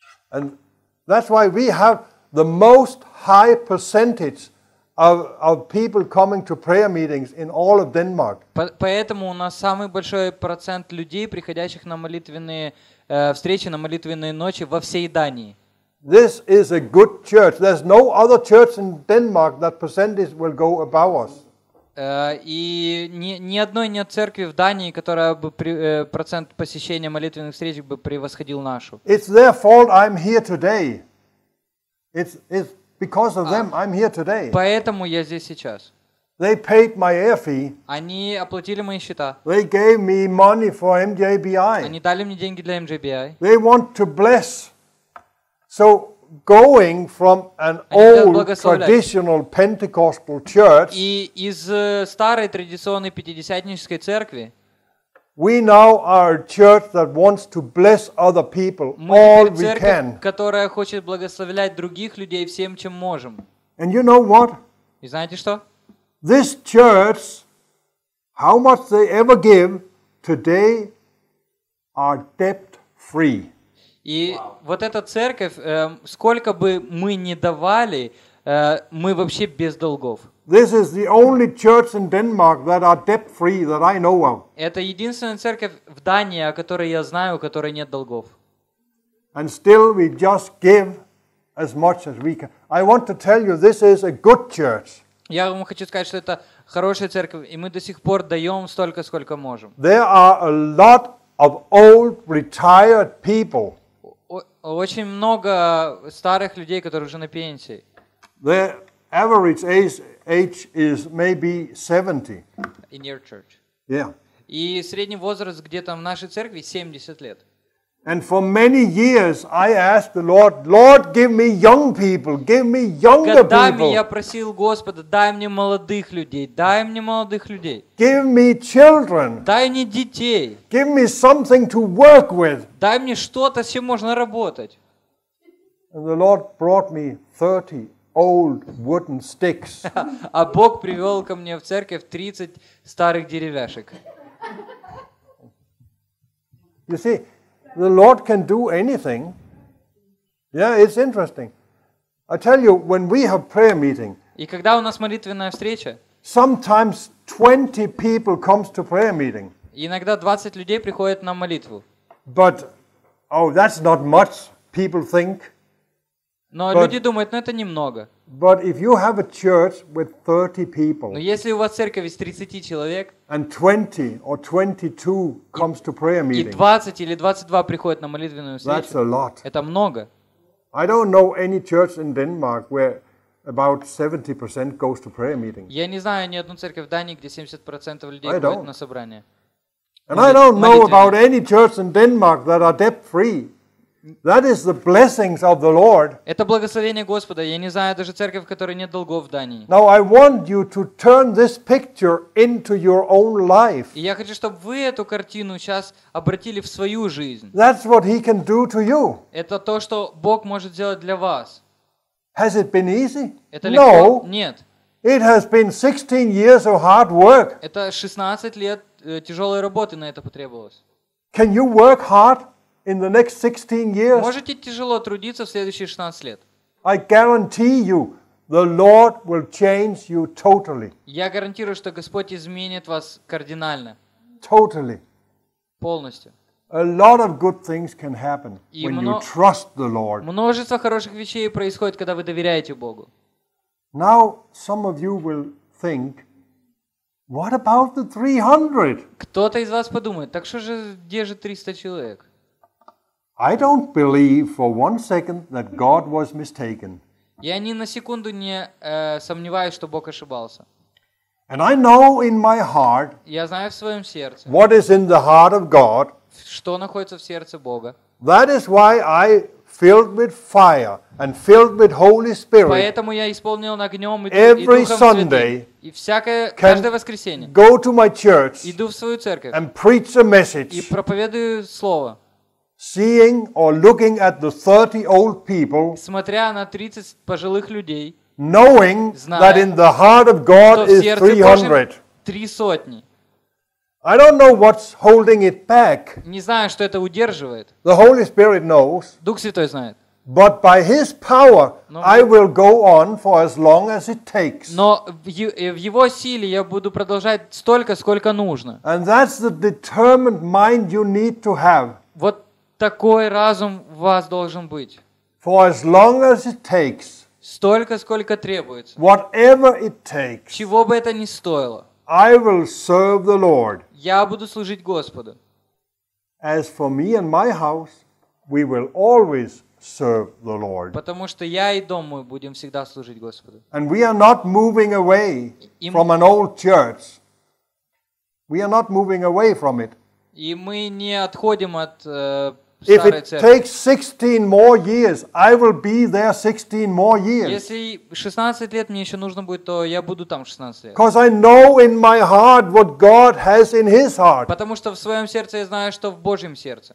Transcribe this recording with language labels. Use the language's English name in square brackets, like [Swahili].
[English] And that's why we have the most high percentage of people coming to prayer meetings in all of Denmark. [Russian] Поэтому у нас самый большой процент людей, приходящих на молитвенные встречи, на молитвенные ночи во всей Дании. [English] This is a good church. There's no other church in Denmark that percentage will go above us. [Russian] И ни одной нет церкви в Дании, которая бы процент посещения молитвенных встреч бы превосходил нашу. [English] It's their fault I'm here today. It's because of them, I'm here today. [Russian] Поэтому я здесь сейчас. [English] They paid my air fee. [Russian] Они оплатили мои счета. [English] They gave me money for MJBI. [Russian] Они дали мне деньги для MJBI. [English] They want to bless. So going from an old traditional Pentecostal church. [Russian] И из старой традиционной пятидесятнической церкви. [English] We now are a church that wants to bless other people all we can. [Russian] Мы церковь, которая хочет благословлять других людей всем, чем можем. [English] And you know what? [Russian] И знаете что? [English] This church, how much they ever give, today are debt free. [Russian] И вот эта церковь, сколько бы мы ни давали, мы вообще без долгов. [English] This is the only church in Denmark that are debt-free that I know of. [Russian] Это единственная церковь в Дании, о которой я знаю, у которой нет долгов. [English] And still we just give as much as we can. I want to tell you, this is a good church. [Russian] Я вам хочу сказать, что это хорошая церковь, и мы до сих пор даем столько, сколько можем. [English] There are a lot of old retired people. [Russian] Очень много старых людей, которые уже на пенсии. [English] Their average age is maybe 70. In your church. Yeah. [Russian] И средний возраст где-то в нашей церкви 70 лет. [English] And for many years I asked the Lord, Lord, give me young people, give me younger people. [Russian] Годами я просил Господа, дай мне молодых людей, дай мне молодых людей. [English] Give me children. [Russian] Дай мне детей. [English] Give me something to work with. [Russian] Дай мне что-то, с чем можно работать. [English] And the Lord brought me 30 old wooden sticks. [Russian] А Бог привел ко мне в церковь 30 старых деревяшек. [English] You see, the Lord can do anything. Yeah, it's interesting. I tell you, when we have prayer meeting, [Russian] и когда у нас молитвенная встреча, [English] sometimes 20 people comes to prayer meeting. [Russian] Иногда 20 людей приходят на молитву. [English] But, oh, that's not much, people think. [Russian] Но люди думают, ну это немного. [English] But if you have a church with 30 people, [Russian] но если у вас церковь из 30 человек, [English] and 20 or 22 comes to prayer meeting, [Russian] и 20 или 22 приходят на молитвенную встречу, [English] that's a lot. [Russian] Это много. [English] I don't know any church in Denmark where about 70% goes to prayer meeting. [Russian] Я не знаю ни одну церковь в Дании, где 70% людей ходят на собрание. [English] And I don't know about any church in Denmark that are debt-free. That is the blessings of the Lord. [Russian] Это благословение Господа. Я не знаю даже церковь, в которой нет долгов в Дании. [English] Now I want you to turn this picture into your own life. [Russian] И я хочу, чтобы вы эту картину сейчас обратили в свою жизнь. [English] That's what He can do to you. [Russian] Это то, что Бог может сделать для вас. [English] Has it been easy? [Russian] Это легко? Нет. [English] It has been 16 years of hard work. [Russian] Это 16 лет тяжелой работы на это потребовалось. [English] Can you work hard? In the next 16 years, [Russian] можете тяжело трудиться в следующие 16 лет. [English] I guarantee you, the Lord will change you totally. [Russian] Я гарантирую, что Господь изменит вас кардинально. [English] Totally. [Russian] Полностью. [English] A lot of good things can happen when you trust the Lord. [Russian] Множество хороших вещей происходит, когда вы доверяете Богу. [English] Now, some of you will think, what about the 300? [Russian] Кто-то из вас подумает, так что же, где же 300 человек? [English] I don't believe for one second that God was mistaken. [Russian] Я ни на секунду не сомневаюсь, что Бог ошибался. [English] And I know in my heart. [Russian] Я знаю в своем сердце. [English] What is in the heart of God? [Russian] Что находится в сердце Бога? [English] That is why I filled with fire and filled with Holy Spirit. [Russian] Поэтому я исполнил огнем и Духом. [English] Every Sunday. [Russian] И всякое каждое воскресенье. [English] Go to my church. [Russian] Иду в свою церковь. [English] And preach a message. [Russian] И проповедую слово. [English] Seeing or looking at the 30 old people, [Russian] смотря на 30 пожилых людей, [English] knowing [Russian] зная, [English] that in the heart of God is 300. [Russian] Три сотни. [English] I don't know what's holding it back. [Russian] Не знаю, что это удерживает. [English] The Holy Spirit knows. [Russian] Дух Святой знает. [English] But by His power, I will go on for as long as it takes. [Russian] Но в Его силе я буду продолжать столько, сколько нужно. [English] And that's the determined mind you need to have. [Russian] Вот такой разум у вас должен быть. [English] For as long as it takes, [Russian] столько, сколько требуется. [English] Whatever it takes, [Russian] чего бы это ни стоило. [English] I will serve the Lord. [Russian] Я буду служить Господу. [English] As for me and my house, we will always serve the Lord. [Russian] Потому что я и дом мой будем всегда служить Господу. [English] And we are not moving away from an old church. We are not moving away from it. [Russian] И мы не отходим от [English] If it takes 16 more years, I will be there 16 more years. [Russian] Если 16 лет мне еще нужно будет, то я буду там 16 лет. [English] Because I know in my heart what God has in His heart. [Russian] Потому что в своем сердце я знаю, что в Божьем сердце.